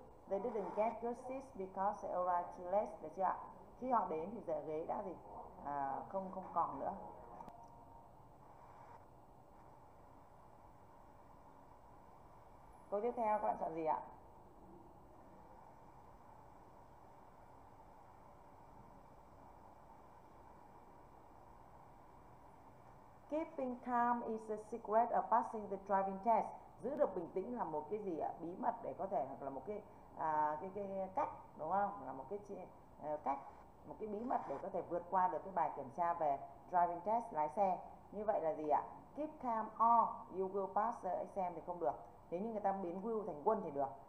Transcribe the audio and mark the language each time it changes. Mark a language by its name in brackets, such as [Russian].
[English] They didn't get good seats because they arrived too late. [Vietnamese] Được chưa? Khi họ đến thì giờ ghế đã gì? Không còn nữa. Câu tiếp theo các bạn chọn gì ạ? [English] Keeping calm is the secret of passing the driving test. [Vietnamese] Giữ được bình tĩnh là một cái gì ạ? Bí mật để có thể, hoặc là một cái cách, đúng không? Là một cái cách, một cái bí mật để có thể vượt qua được cái bài kiểm tra về driving test, lái xe. Như vậy là gì ạ? [English] Keep calm or you will pass the exam [Vietnamese] thì không được. Nếu như người ta biến will thành won thì được.